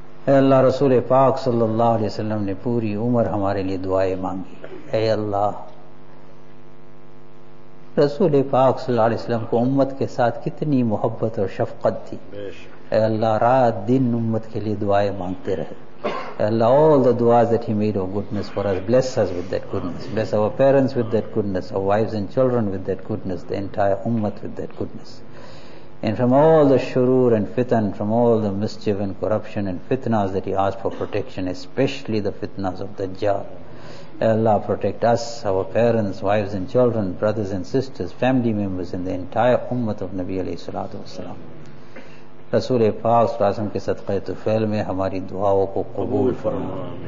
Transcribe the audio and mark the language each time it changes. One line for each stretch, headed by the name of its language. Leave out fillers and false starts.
Urdu: اے اللہ, رسول پاک صلی اللہ علیہ وسلم نے پوری عمر ہمارے لیے دعائیں مانگی. اے اللہ, رسول پاک صلی اللہ علیہ وسلم کو امت کے ساتھ کتنی محبت اور شفقت تھی. اے اللہ, رات دن امت کے لیے دعائیں مانگتے رہے.
English: Allah, all the du'as that he made of goodness for us, bless us with that goodness. Bless our parents with that goodness, our wives and children with that goodness, the entire ummah with that goodness. And from all the shurur and fitan, from all the mischief and corruption and fitnas that he asked for protection, especially the fitnas of Dajjal, Allah protect us, our parents, wives and children, brothers and sisters, family members and the entire ummah of Nabi alayhi salatu wasalam.
Urdu: رسول پاک صلی اللہ علیہ وسلم کے صدقہ طفیل میں ہماری دعاؤں کو قبول فرما.